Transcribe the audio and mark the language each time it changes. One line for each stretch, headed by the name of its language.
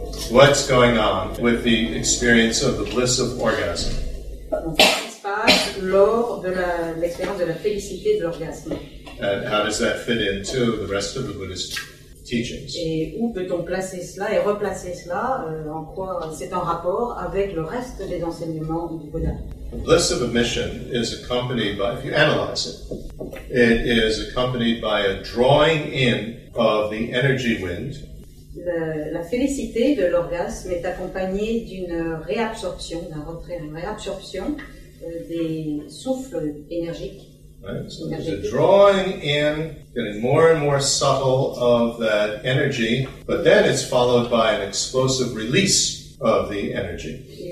English: What's going on with the experience of the bliss of orgasm? And how does that fit into the rest of the Buddhist teachings?
French: Et où peut-on placer cela et replacer cela en quoi c'est en rapport avec le reste des enseignements du Bouddha?
English: The bliss of emission is accompanied by, if you analyze it, it is accompanied by a drawing in of the energy wind.
French: La félicité de l'orgasme est accompagnée d'une réabsorption, d'un retrait, une réabsorption des souffles énergiques.
English: Right. So there's a drawing in, getting more and more subtle of that energy, but then it's followed by an explosive release of the energy.